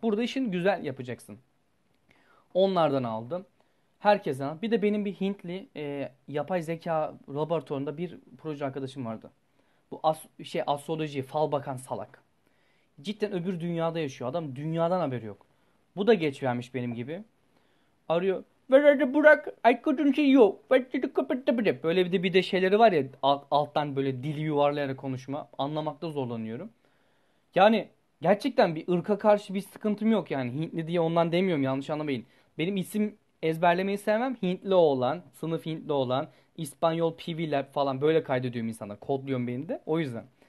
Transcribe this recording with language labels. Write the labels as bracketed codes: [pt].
[tr] Burada işin güzel yapacaksın. Onlardan aldım. Herkesten aldım. Bir de benim bir Hintli yapay zeka laboratuvarında bir proje arkadaşım vardı. Bu astroloji, fal bakan salak. Cidden öbür dünyada yaşıyor. Adam dünyadan haberi yok. Bu da geç vermiş benim gibi. Arıyor. [en] Where are the Burak? I couldn't see you. Where did you go? [tr] Böyle bir de şeyleri var ya, alttan böyle dili yuvarlayarak konuşma. Anlamakta zorlanıyorum. Yani gerçekten bir ırka karşı bir sıkıntım yok yani. Hintli diye ondan demiyorum, yanlış anlamayın. Benim isim ezberlemeyi sevmem. Hintli olan, sınıf Hintli olan, İspanyol PV'ler falan böyle kaydediyorum insanlar. Kodluyorum beni de. O yüzden.